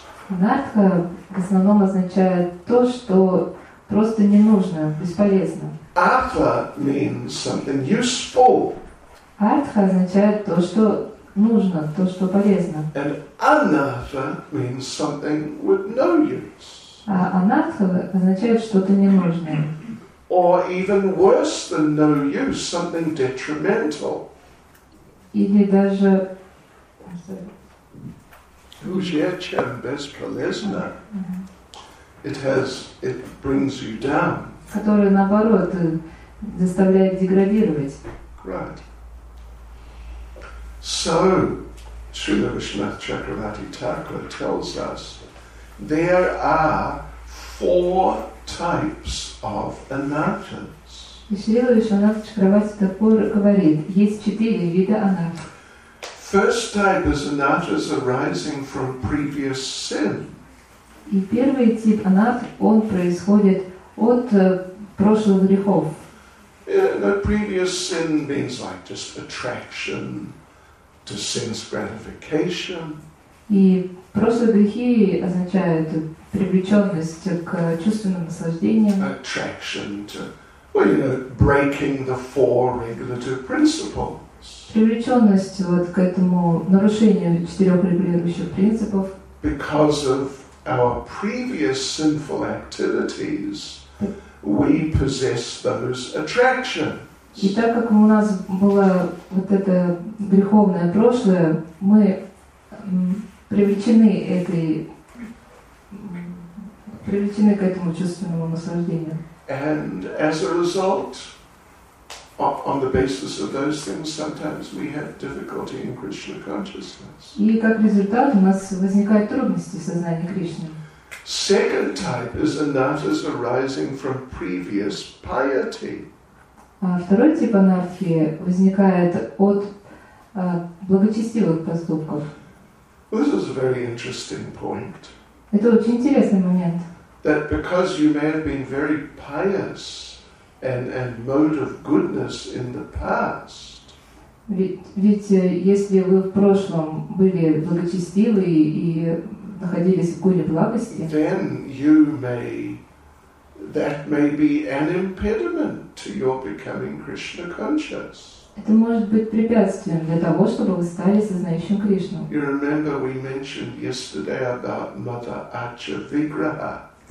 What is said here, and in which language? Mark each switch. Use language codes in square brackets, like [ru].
[ru] Анатха в основном означает то, что просто не нужно, бесполезно. [en] Артха means something useful. [ru] Артха означает то, что нужно, то, что полезно. [en] And анатха means something with no use. [ru] А анатха означает что-то ненужное. [en] Or even worse than no use, something detrimental. [ru] Или даже... Ужечем бесполезно. [en] It has, it brings you down. [ru] Которое наоборот заставляет деградировать. [en] Right. So, Śrīla Viṣṇuvā Cakravarti Thakura tells us there are four types. types of anarthas. [ru] И Шрила Вишванатха Чакраварти Такур говорит, есть четыре вида анарт. [en] First type is anarthas arising from previous sin. [ru] И первый тип анарт, он происходит от прошлых грехов. [en] The previous sin means like just attraction to sense gratification. [ru] И прошлые грехи означают привлеченность к чувственным наслаждениям. [en] Attraction to, well, you know, breaking the four regulative principles. [ru] Привлеченность вот к этому нарушению четырех регулирующих принципов. [en] Because of our previous sinful activities, we possess those attractions. [ru] И так как у нас было вот это греховное прошлое, мы привлечены этой, привлечены к этому чувственному наслаждению. [en] And as a result, on the basis of those things, sometimes we have difficulty in Krishna consciousness. [ru] И как результат у нас возникают трудности в сознании Кришны. [en] Second type is anarthas arising from previous piety. [ru] Второй тип анархии возникает от благочестивых поступков. [en] This is a very interesting point. [ru] Это очень интересный момент. [en] That because you may have been very pious and mode of goodness in the past. [ru] Ведь если вы в прошлом были благочестивы и находились в куле благости, [en] then you may, that may be an impediment to your becoming Krishna conscious. [ru] Это может быть препятствием для того, чтобы вы стали сознающим Кришну. [en] You remember we mentioned yesterday about Mother Archa Vigraha.